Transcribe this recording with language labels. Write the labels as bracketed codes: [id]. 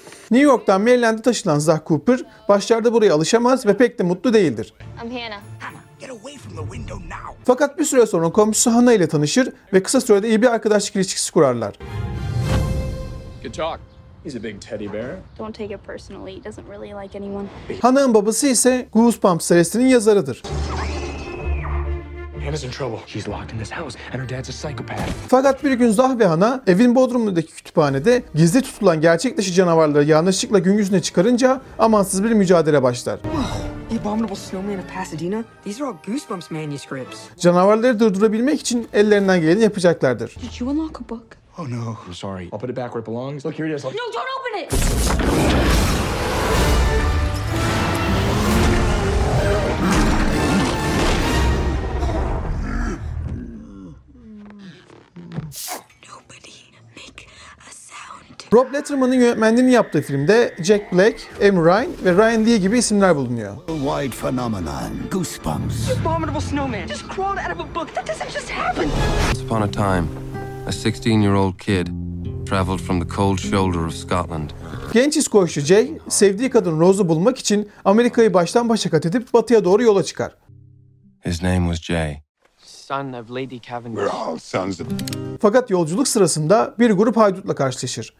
[tr] New York'tan Maryland'e taşınan Zach Cooper, başlarda buraya alışamaz ve pek de mutlu değildir. [en] I'm Hannah. Get away from the window now. [tr] Fakat bir süre sonra komşusu Hannah ile tanışır ve kısa sürede iyi bir arkadaşlık ilişkisi kurarlar. [en] Good talk. He's a big teddy bear. Don't take it personally. He doesn't really like anyone. [tr] Hannah'ın babası ise Goosebumps serisinin yazarıdır. [en] Hannah's in trouble. She's locked in this house and her dad's a psychopath. [tr] Fakat bir gün Zah ve Hannah evin bodrumundaki kütüphanede gizli tutulan gerçek dışı canavarları yanlışlıkla gün yüzüne çıkarınca amansız bir mücadele başlar. [en] The Abominable Snowman of Pasadena. These are all Goosebumps manuscripts. [tr] Canavarları durdurabilmek için ellerinden geleni yapacaklardır. [en] Did you unlock a book? Oh no. I'm sorry. I'll put it back where it belongs. Look, here it is. No, don't open it. [tr] Rob Letterman'ın yönetmenliğini yaptığı filmde Jack Black, Emre Ryan ve Ryan Lee gibi isimler bulunuyor. [en] Worldwide phenomenon, Goosebumps. The abominable snowman just crawled out of a book. That doesn't just happen. Once upon a time, a 16-year-old kid traveled from the cold shoulder of Scotland. [tr] Genç İskoçlu Jay, sevdiği kadın Rose'u bulmak için Amerika'yı baştan başa kat edip batıya doğru yola çıkar. [en] His name was Jay. Son of Lady Cavendish. We're all sons of... [tr] Fakat yolculuk sırasında bir grup haydutla karşılaşır.